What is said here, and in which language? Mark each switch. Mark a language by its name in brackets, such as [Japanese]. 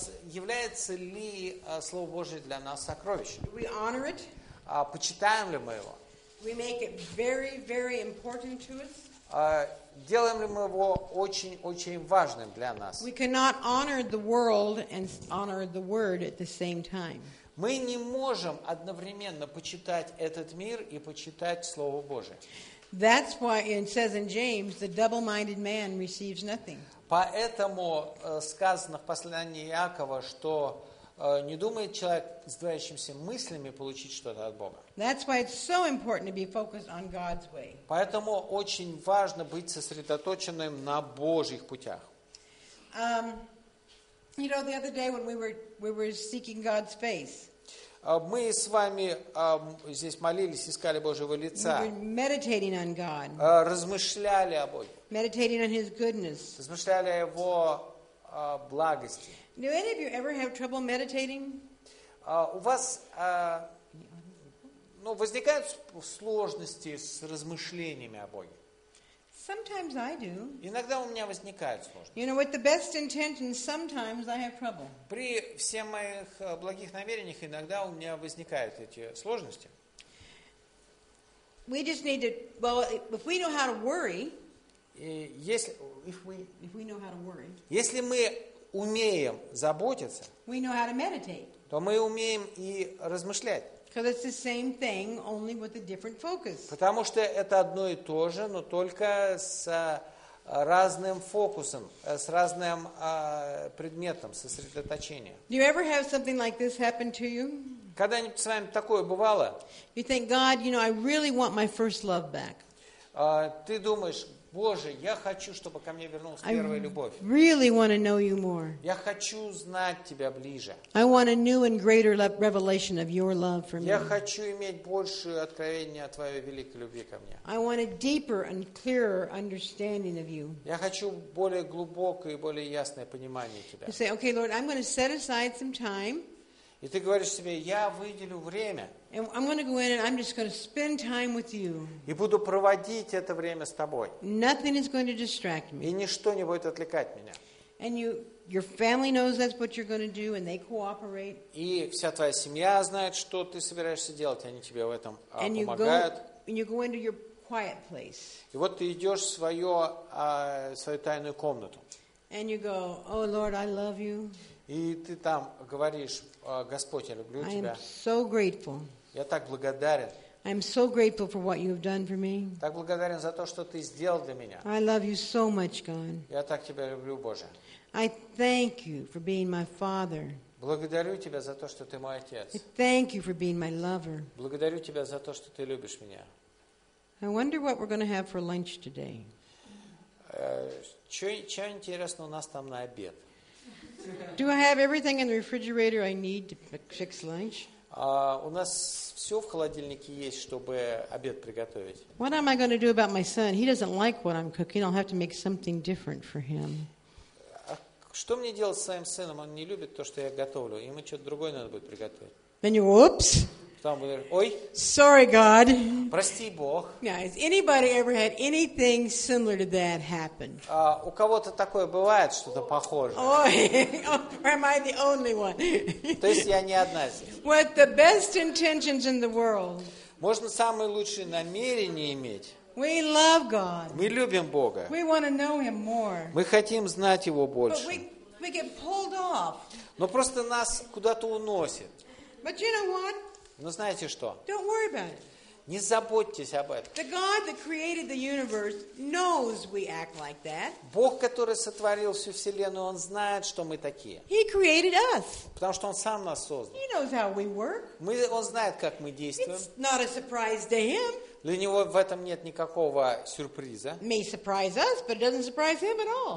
[Russian] Является ли Слово Божие для нас сокровищем? [English] Do we honor it? [Russian] Почитаем ли мы его? [English] We make it very, very important to us. [Russian] Делаем ли мы его очень-очень важным для нас? [English] We cannot honor the world and honor the word at the same time. [Russian] Мы не можем одновременно почитать этот мир и почитать Слово Божие. [English] That's why it says in James, the double-minded man receives nothing. [Russian] Поэтому сказано в послании Иакова, что не думает человек с двоящимися мыслями получить что-то от Бога. [English] That's why it's so important to be focused on God's way. [Russian] Поэтому очень важно быть сосредоточенным на Божьих путях. [English] You know, the other day when we were seeking God's face. [Russian] Мы с вами здесь молились, искали Божьего лица. [English] We were meditating on God. [Russian] Размышляли о Боге. [English] Meditating on His goodness. [Russian] Размышляли о Его благости. [English] Do any of you ever have trouble meditating? [Russian] У вас возникают сложности с размышлениями о Боге? [English] Sometimes I do. [Russian] Иногда у меня возникают сложности. [English] You know, with the best intentions, sometimes I have trouble. [Russian] При всех моих благих намерениях иногда у меня возникают эти сложности. [English] We just need to, well, if we know how to worry. [Russian] Если мы умеем заботиться, [English] we know how to meditate. [Russian] То мы умеем и размышлять. [English] Because it's the same thing, only with a different focus. [Russian] Потому что это одно и то же, но только с разным фокусом, с разным предметом сосредоточения. [English] Do you ever have something like this happen to you? [Russian] Когда-нибудь с вами такое бывало? [English] You think, God, you know, I really want my first love back. [Russian] Ты думаешь, Боже, я хочу, чтобы ко мне вернулась первая любовь. [English] I really want to know you more. [Russian] Я хочу знать тебя ближе. [English] I want a new and greater revelation of your love for me. [Russian] Я хочу иметь большее откровение о твоей великой любви ко мне. [English] I want a deeper and clearer understanding of you. [Russian] Я хочу более глубокое и более ясное понимание тебя. [English] You say, okay, Lord, I'm going to set aside some time. [Russian] И ты говоришь себе, я выделю время. [English] And I'm going to go in and I'm just going to spend time with you. [Russian] И буду проводить это время с тобой. [English] Nothing is going to distract me. [Russian] И ничто не будет отвлекать меня. [English] And your family knows that's what you're going to do and they cooperate. [Russian] И вся твоя семья знает, что ты собираешься делать, они тебе в этом помогают. [English] And you go into your quiet place. [Russian] И вот ты идешь в свою тайную комнату. [English] And you go, oh Lord, I love you. [Russian] И ты там говоришь, Господь, я люблю тебя. [English] I am so grateful. [Russian] Я так благодарен. [English] I am so grateful for what you have done for me. [Russian] Так благодарен за то, что ты сделал для меня. [English] I love you so much, God. [Russian] Я так тебя люблю, Боже. [English] I thank you for being my father. [Russian] Благодарю тебя за то, что ты мой отец. [English] I thank you for being my lover. [Russian] Благодарю тебя за то, что ты любишь меня. [English] I wonder what we're going to have for lunch today. [Russian] Что интересно у нас там на обед? [English] Do I have everything in the refrigerator I need to fix lunch? [Russian] У нас все в холодильнике есть, чтобы обед приготовить. [English] What am I going to do about my son? He doesn't like what I'm cooking. I'll have to make something different for him. [Russian] Что мне делать с своим сыном? Он не любит то, что я готовлю. Ему что-то другое надо будет приготовить. [English] Then you, oops. [Russian] Там будет, ой. [English] Sorry, God. [Russian] Прости, Бог. [English] Now, has anybody ever had anything similar to that happen? [Russian] У кого-то такое бывает, что-то похожее. Ой, [English] or am I the only one? [Russian] То есть я не одна здесь. [English] With the best intentions in the world. [Russian] Можно самые лучшие намерения иметь. [English] We love God. [Russian] Мы любим Бога. [English] We want to know Him more. [Russian] Мы хотим знать Его больше. [English] But we get pulled off. [Russian] Но просто нас куда-то уносит. [English] But you know what? [Russian] Но знаете что? [English] Don't worry about it. [Russian] Не заботьтесь об этом. [English] The God that created the universe knows we act like that. [Russian] Бог, который сотворил всю вселенную, Он знает, что мы такие. [English] He created us. [Russian] Потому что Он сам нас создал. [English] He knows how we work. [Russian] Он знает, как мы действуем. [English] It's not a surprise to Him. [Russian] Для него в этом нет никакого сюрприза. [English] May surprise us, but it doesn't surprise him at all.